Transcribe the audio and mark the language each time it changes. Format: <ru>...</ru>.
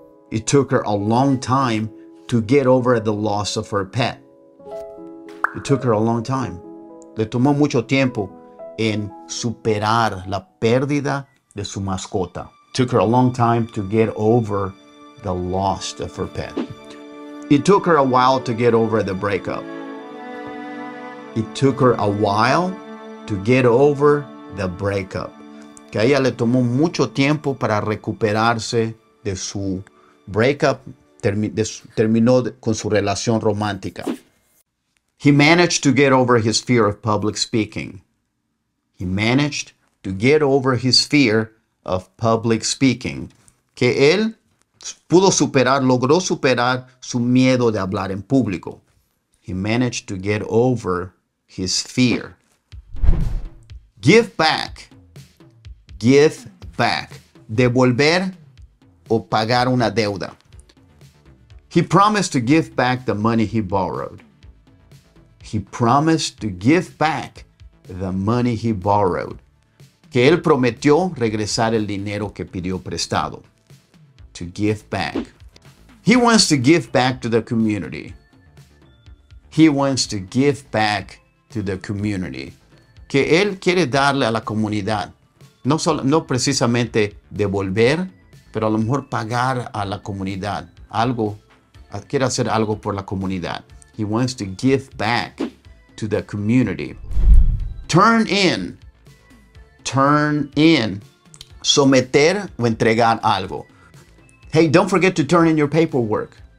<en>It took her a long time to get over the loss of her pet. It took her a long time.</en> <es>Le tomó mucho tiempo en superar la pérdida de su mascota.</es> <en>Took her a long time to get over the loss of her pet. It took her a while to get over the breakup. It took her a while to get over the breakup.</en> <es>Que a ella le tomó mucho tiempo para recuperarse de su breakup, terminó con su relación romántica.</es> <en>He managed to get over his fear of public speaking. He managed to get over his fear of public speaking.</en> <es>Que él pudo superar, logró superar su miedo de hablar en público.</es> <en>He managed to get over his fear. Give back.</en> <es>Give back. Devolver o pagar una deuda.</es> <en>He promised to give back the money he borrowed. He promised to give back the money he borrowed.</en> <es>Que él prometió regresar el dinero que pidió prestado.</es> <en>To give back. He wants to give back to the community. He wants to give back to the community.</en> <es>Que él quiere darle a la comunidad. No precisamente devolver, pero a lo mejor pagar a la comunidad. Algo. Quiere hacer algo por la comunidad.</es> <en>He wants to give back to the community. Turn in.</en> <es>Turn in. Someter o entregar algo.</es> <en>Hey, don't forget to turn in your paperwork.</en>